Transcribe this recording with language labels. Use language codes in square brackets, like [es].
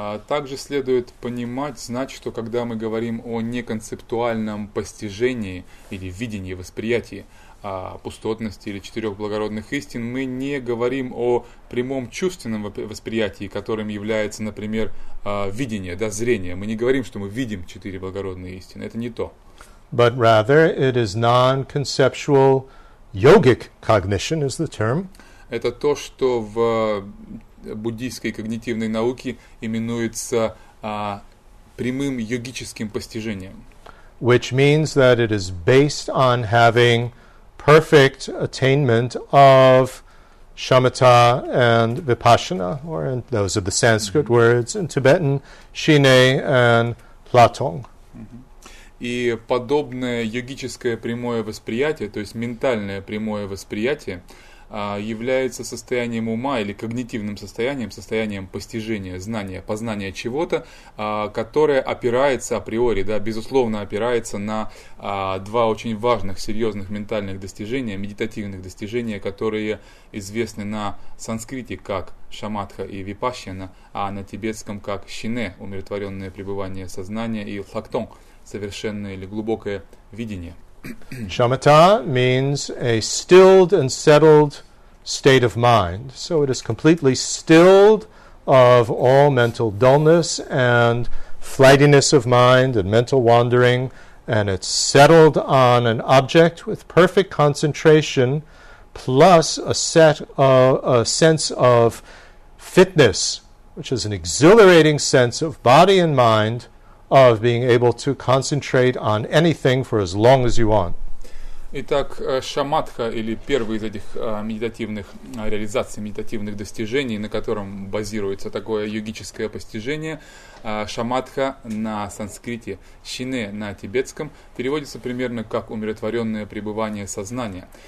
[ru] Также следует понимать, знать, что когда мы говорим о неконцептуальном постижении или видении, восприятии пустотности или четырех благородных истин, мы не говорим о прямом чувственном восприятии, которым является, например, видение, да, зрение. Мы не говорим, что мы видим четыре благородные истины. Это не то. [en] But rather, it is non-conceptual yogic cognition is the term. [ru] Это то, что в буддийской когнитивной науке именуется прямым йогическим постижением. [en] Which means that it is based on having perfect attainment of shamatha and vipassana, or in, those are the Sanskrit mm-hmm. words, in Tibetan, shine and platong. [ru] И подобное йогическое прямое восприятие, то есть ментальное прямое восприятие, является состоянием ума или когнитивным состоянием, состоянием постижения, знания, познания чего-то, которое опирается априори, да, безусловно, опирается на два очень важных, серьезных ментальных достижения, медитативных достижения, которые известны на санскрите как шамадха и випассана, а на тибетском как шине, умиротворенное пребывание сознания, и лхактон, совершенное или глубокое видение. [en] Shamatha means a stilled and settled state of mind. So it is completely stilled of all mental dullness and flightiness of mind and mental wandering, and it's settled on an object with perfect concentration, plus a sense of fitness, which is an exhilarating sense of body and mind, of being able to concentrate on anything for as long as you want. [ru] Итак, шамадха, или первый из этих медитативных реализаций, медитативных достижений, на котором базируется такое йогическое постижение, шамадха на санскрите, шине на тибетском, переводится примерно как умиротворенное пребывание сознания.